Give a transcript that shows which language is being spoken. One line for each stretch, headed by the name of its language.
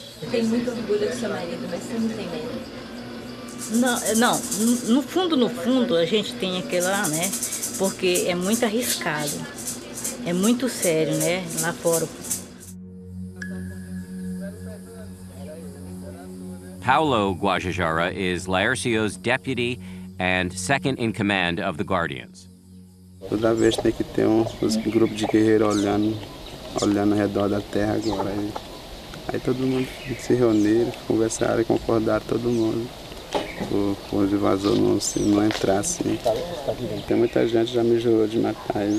Portuguese: Tem muito orgulho do seu marido, mas você não tem medo? Não, não. No fundo, a gente tem aquela, né? Porque é muito arriscado, é muito sério, né, lá fora.
English: Paulo Guajajara is Laercio's deputy and second in command of the Guardians.
Portuguese: Toda vez tem que ter um grupo de guerreiros olhando ao redor da terra agora. Aí todo mundo se reuniu, conversaram e concordaram todo mundo. Os invasores não entrassem. Tem muita gente que já me jurou de matar.